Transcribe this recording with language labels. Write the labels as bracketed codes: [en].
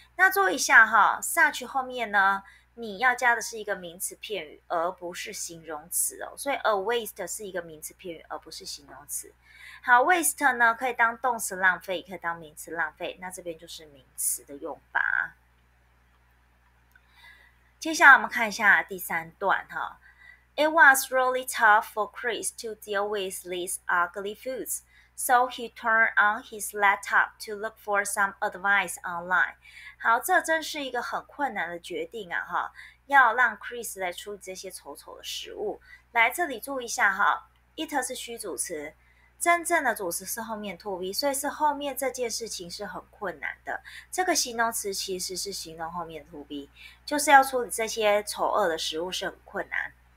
[zh] 那做一下哈， such 后面呢，你要加的是一个名词片语，而不是形容词哦。所以 a waste 是一个名词片语，而不是形容词。好， waste 呢可以当动词浪费，也可以当名词浪费，那这边就是名词的用法。接下来我们看一下第三段哈。 [en] It was really tough for Chris to deal with these ugly foods, so he turned on his laptop to look for some advice online. [zh] 好，这真是一个很困难的决定啊，哈，要让 Chris 来处理这些丑丑的食物。来，这里注意一下哈， it 是虚主词，真正的主词是后面 to be， 所以是后面这件事情是很困难的。这个形容词其实是形容后面 to be， 就是要处理这些丑恶的食物是很困难。